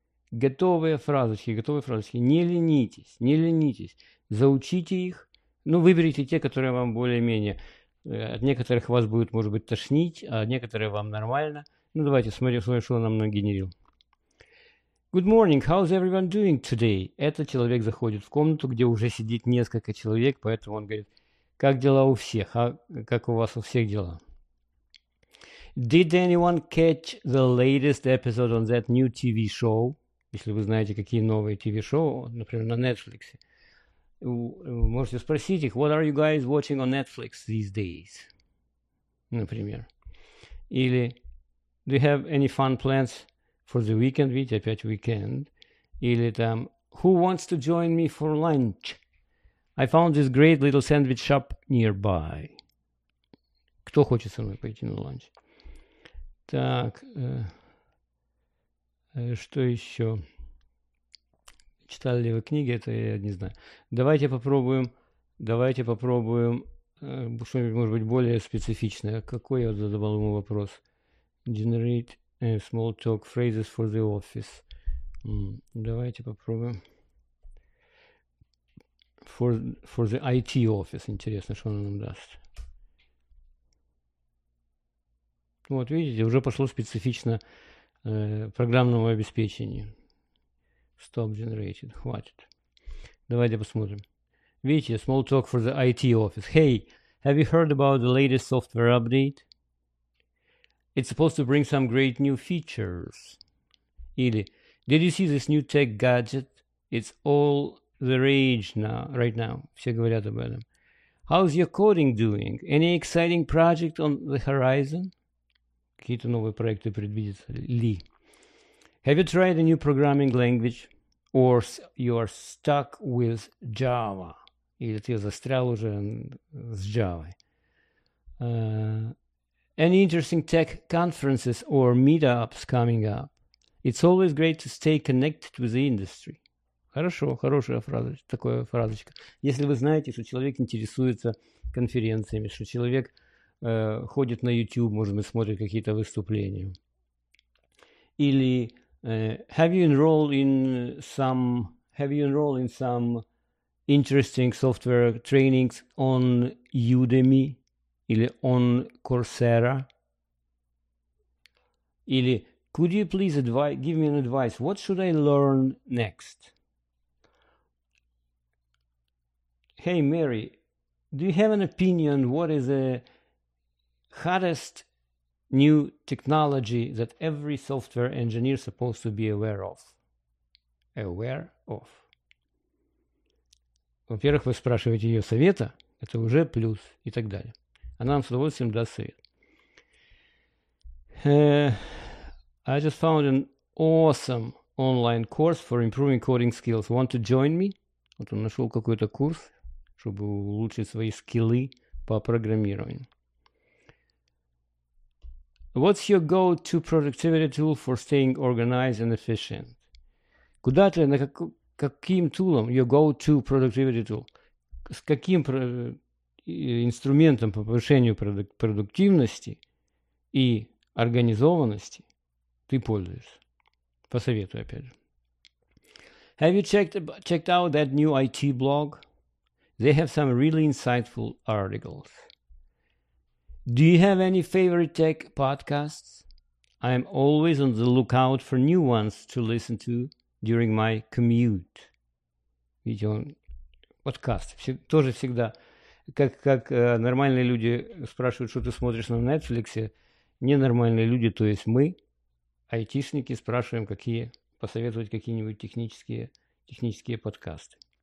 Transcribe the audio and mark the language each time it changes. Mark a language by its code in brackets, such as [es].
[ru] Готовые фразочки, не ленитесь, заучите их, ну, выберите те, которые вам более-менее, от некоторых вас будет, может быть, тошнить, а некоторые вам нормально. Ну, давайте, смотрим, что он нам нагенерил. [en] Good morning, how's everyone doing today? [ru] Этот человек заходит в комнату, где уже сидит несколько человек, поэтому он говорит, как дела у всех, а как у вас у всех дела? [en] Did anyone catch the latest episode on that new TV show? [ru] Если вы знаете, какие новые ТВ-шоу, например, на Netflix, вы можете спросить их, [en] what are you guys watching on Netflix these days? [ru] Например. Или, [en] do you have any fun plans for the weekend? [ru] Видите, опять weekend. Или там, [en] who wants to join me for lunch? I found this great little sandwich shop nearby. [ru] Кто хочет со мной пойти на ланч? Так, что еще? Читали ли вы книги? Это я не знаю. Давайте попробуем. Давайте попробуем что-нибудь, может быть, более специфичное. Какой я вот задавал ему вопрос? [en] Generate small talk phrases for the office. [ru] Давайте попробуем. [en] For the IT office. [ru] Интересно, что он нам даст. Вот, видите, уже пошло специфично программному обеспечению. [en] Stop generated. [ru] Хватит. Давайте посмотрим. Видите, [en] small talk for the IT office. Hey, have you heard about the latest software update? It's supposed to bring some great new features. [ru] Или, [en] did you see this new tech gadget? It's all the rage now, right now. [ru] Все говорят об этом. [en] How's your coding doing? Any exciting project on the horizon? [ru] Какие-то новые проекты предвидятся ли? [en] Have you tried a new programming language? Or you are stuck with Java? [ru] Или ты застрял уже с Java? [en] Any interesting tech conferences or meetups coming up? It's always great to stay connected with the industry. [ru] Хорошо, хорошая фразочка, такая фразочка. Если вы знаете, что человек интересуется конференциями, что человек ходит на YouTube, может быть, смотрит какие-то выступления. Или [en] have you enrolled in some interesting software trainings on Udemy [ru] или [en] on Coursera? [ru] Или [en] could you please give me an advice? What should I learn next? Hey Mary, do you have an opinion? What is a hottest new technology that every software engineer is supposed to be aware of. Aware of. [ru] Во-первых, вы спрашиваете ее совета, это уже плюс и так далее. Она вам с удовольствием даст совет. [en] I just found an awesome online course for improving coding skills. Want to join me? [ru] Вот он нашел какой-то курс, чтобы улучшить свои скиллы по программированию. [en] What's your go-to productivity tool for staying organized and efficient? [ru] Куда ты, на каким тулом, [en] your go-to productivity tool? [ru] С каким инструментом по повышению продуктивности и организованности ты пользуешься? Посоветую опять же. [en] Have you checked out that new IT blog? They have some really insightful articles. Do you have any favorite tech podcasts? I'm always on the lookout for new ones to listen to during my commute. [ru] Видите, он подкаст. Тоже всегда, как нормальные люди спрашивают, что ты смотришь на Netflix, ненормальные люди, то есть мы, айтишники, спрашиваем, какие посоветовать какие-нибудь технические подкасты.